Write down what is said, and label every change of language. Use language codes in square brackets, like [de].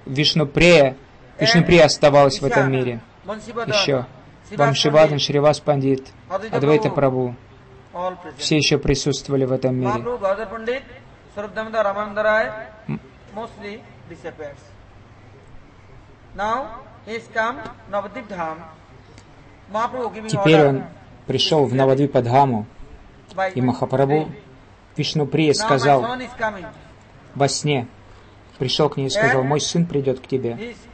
[ru] Вишнуприя оставалась в этом мире. Еще. Вамшивадан, Шривас пандит, Адвайта Прабху. Все еще присутствовали в этом мире. [en] Now he has come to Navadvip Dham. Mahaprabhu gave him order. [ru] Теперь он пришел в Навадвипадхаму, и Махапрабху Вишнуприя сказал во сне, пришел к ней и сказал, мой сын придет к тебе.